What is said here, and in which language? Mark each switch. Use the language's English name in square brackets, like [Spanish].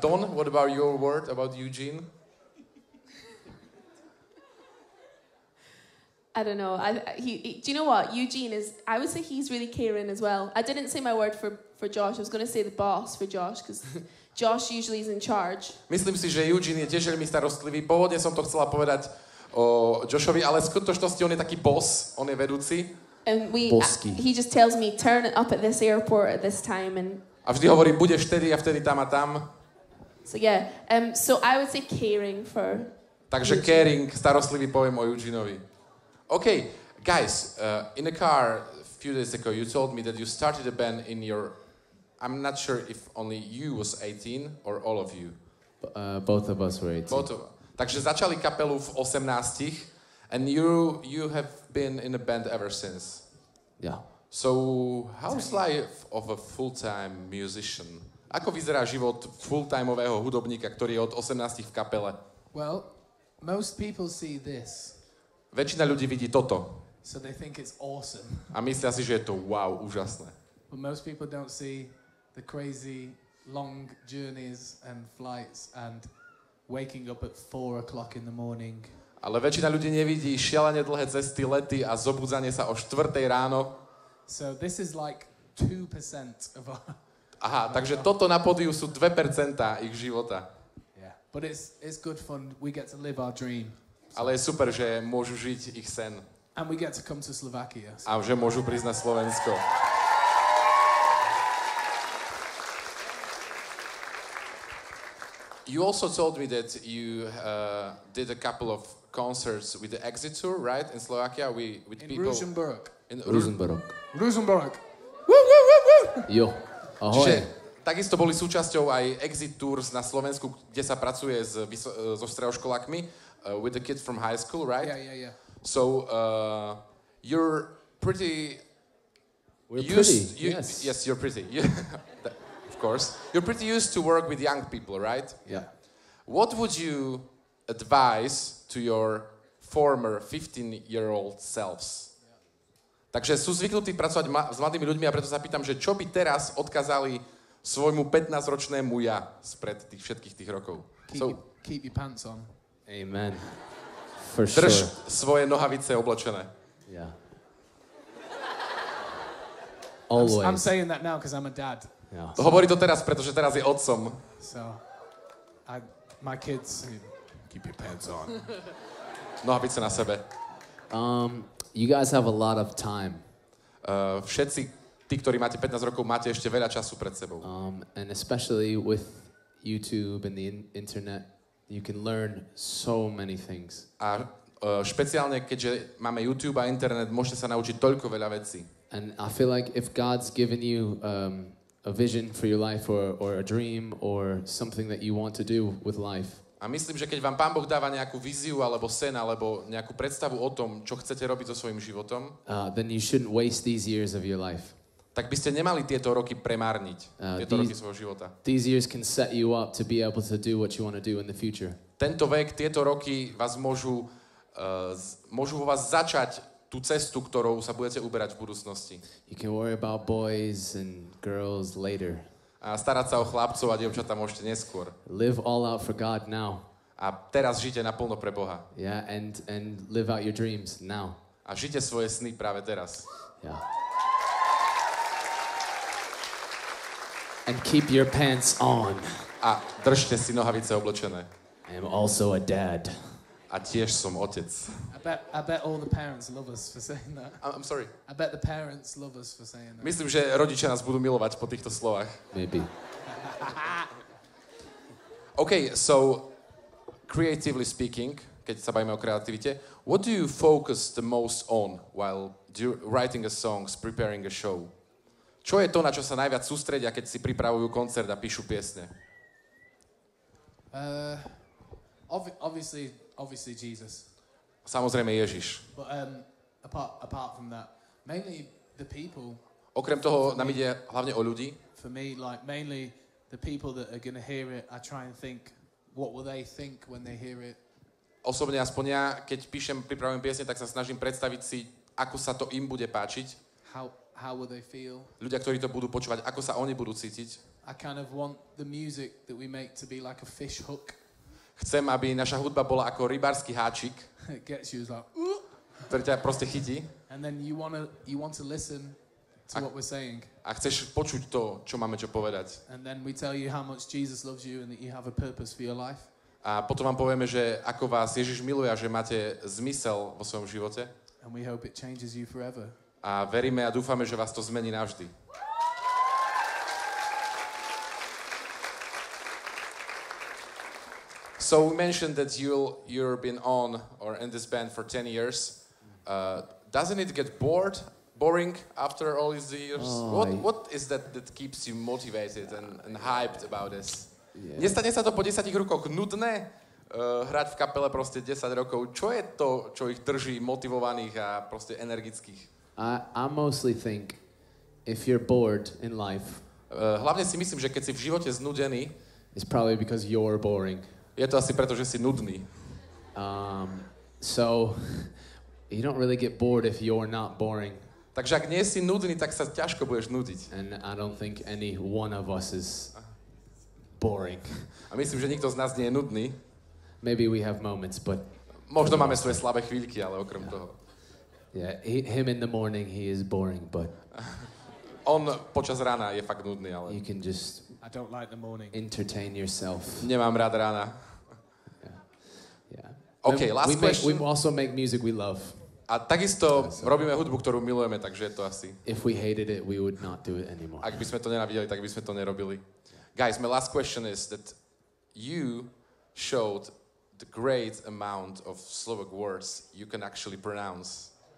[English] Don, what about your word about Eugene? I don't know. Do you know what? Eugene is... I would say he's really caring as well. I didn't say my word for Josh. I was going to say the boss for Josh, because Josh usually is in charge. [Slovak] Myslím si, že Eugene je tiež veľmi starostlivý. Pôvodne som to chcela povedať o Joshovi, ale v skutočnosti on je taký boss. On je vedúci. [English] And we, [Slovak] bossky. [English] He just tells me, turn it up at this airport at this time. And [Slovak] a vždy hovorí, budeš tedy a vtedy tam a tam. [English] So yeah. So I would say caring for... [Slovak] Takže Eugene. Caring, starostlivý poviem o Eugeneovi. [English] Okay, guys, in the car a few days ago, you told me that you started a band in your... I'm not sure if only you was 18 or all of you. Both of us were 18. Both of us. [Slovak] Takže začali kapelu v 18-tich [English] and you have been in a band ever since. Yeah. So, how's life of a full-time musician? [Slovak] Ako vyzerá život full-timeového hudobníka, ktorý je od 18-tich v kapele? [English] Well, most people see this. [Slovak] Väčšina ľudí vidí toto. [English] So they think it's awesome. [Slovak] A myslia si, že je to wow, úžasné. [English] But most people don't see the crazy long journeys and flights and waking up at 4:00 in the morning. [Slovak] Ale väčšina ľudí nevidí šialene dlhé cesty, lety a zobudzanie sa o 4:00 ráno. [English] So this is like 2% of our... [Slovak] Aha, takže toto na pódiu sú 2% ich života. [English] Yeah. But it's good fun. We get to live our dream. [Slovak] Ale je super, že môžu žiť ich sen. [English] And we get to come to Slovakia. [Slovak] A že môžu prísť na Slovensko. [English] You also told me that you did a couple of concerts with the Exit Tour, right? In Slovakia, with in people... [Slovak] Ružomberok. Jo, ahoj. Čiže takisto boli súčasťou aj Exit Tours na Slovensku, kde sa pracuje so stredoškolákmi. [English] With the kids from high school, right? Yeah. So, you're pretty... Yes, you're pretty. Of course. You're pretty used to work with young people, right? Yeah. What would you advise to your former 15-year-old selves? [Slovak] Takže sú zvyknutí pracovať s mladými ľuďmi a preto sa pýtam, že čo by teraz odkazali svojmu 15-ročnému ja spred tých všetkých tých rokov? [English] Keep your pants on. Amen. For [Slovak] drž [English] sure. [Slovak] Svoje nohavice oblečené. [English] Yeah. Always. I'm saying that now because I'm a dad. Yeah. [Slovak] To hovorí to teraz, pretože teraz je otcom. [English] So, my kids, keep your pants on. [Slovak] Nohavice na sebe. [English] You guys have a lot of time. [Slovak] Všetci tí, ktorí máte 15 rokov, máte ešte veľa času pred sebou. [English] And especially with YouTube and the internet. You can learn so many things. [Slovak] A špeciálne keďže máme YouTube a internet, môžete sa naučiť toľko veľa vecí. [English] And I feel like if God's given you a vision for your life or a dream or something that you want to do with life. [Slovak] A myslím, že keď vám Pán Boh dáva nejakú víziu alebo sen alebo nejakú predstavu o tom, čo chcete robiť so svojím životom, [English] then you shouldn't waste these years of your life. [Slovak] Tak by ste nemali tieto roky premárniť, tieto roky svojho života. [English] These years can set you up to be able to do what you want to do in the future. [Slovak] Tento vek, tieto roky vás môžu vo vás začať tú cestu, ktorou sa budete uberať v budúcnosti. [English] You can worry about boys and girls later. [Slovak] A starať sa o chlapcov a dievčatá môžete neskôr. [English] Live all out for God now. [Slovak] A teraz žite naplno pre Boha. [English] Yeah, and live out your dreams now. [Slovak] A žite svoje sny práve teraz. [English] Yeah. And keep your pants on. [Slovak] A držte si nohavice oblečené. [English] I am also a dad. [Slovak] A tiež som otec. [English] I bet all the parents love us for saying that. I'm sorry. I bet the parents love us for saying that. [Slovak] Myslím, že rodičia nás budú milovať po týchto slovách. [English] Maybe. Okay, so creatively speaking, [Slovak] keď sa bavíme o kreativite, [English] what do you focus the most on while writing a song, preparing a show? [Slovak] Čo je to, na čo sa najviac sústredia, keď si pripravujú koncert a píšu piesne? [English] Obviously Jesus. [Slovak] Samozrejme Ježiš. [English] But apart from that, mainly the people. [Slovak] Okrem toho nám ide hlavne o ľudí. [English] For me, like mainly the people that are gonna hear it, I try and think, what will they think when they hear it? [Slovak] Osobne aspoň ja, keď píšem, pripravujem piesne, tak sa snažím predstaviť si, ako sa to im bude páčiť. [English] How will they feel? [Slovak] Ľudia, ktorí to budú počúvať, ako sa oni budú cítiť? [English] I kind of want the music that we make to be like a fish hook. [Slovak] Chcem, aby naša hudba bola ako rybársky háčik. [English] It gets you like, [Slovak] ktorý ťa proste chytí. [English] And then you want to listen to what we're saying. [Slovak] A chceš počuť to, čo máme čo povedať. [English] And then we tell you how much Jesus loves you and that you have a purpose for your life. [Slovak] A potom vám povieme, že ako vás Ježiš miluje a že máte zmysel vo svojom živote. [English] And we hope it changes you forever. [Slovak] A veríme a dúfame, že vás to zmení navždy. [English] So we mentioned that you've been on or in this band for 10 years. Doesn't it get boring after all these years? What is that keeps you motivated and hyped about this? Yeah. [Slovak] Nestane sa to po 10 rokoch nudné hrať v kapele proste 10 rokov? Čo je to, čo ich drží motivovaných a proste energických? [English] I mostly think if you're bored in life. [Slovak] Hlavne si myslím, že keď si v živote znudený, [English] it's probably because you're boring. [Slovak] Je to asi preto, že si nudný. [English] So you don't really get bored if you're not boring. [Slovak] Takže ak nie si nudný, tak sa ťažko budeš nudiť. [English] And I don't think any one of us is boring. [Slovak] A myslím, že nikto z nás nie je nudný. [English] Maybe we have moments, but [Slovak] možno máme svoje slabé chvíľky, ale okrem toho. [English] Yeah, him in the morning he is boring, but [Slovak] on počas rána je fakt nudný, ale [English] you can just I don't like the morning. Entertain yourself. [Slovak] Nemám rád rána. [English] Yeah. Okay, last question. We also make music we love. [Slovak] A takisto robíme hudbu, ktorú milujeme, takže je to asi. [English] If we hated it, we would not do it anymore. [Slovak] Ak by sme to nenávideli, tak by sme to nerobili. Yeah. [English] Guys, my last question is that you showed the great amount of Slovak words you can actually pronounce.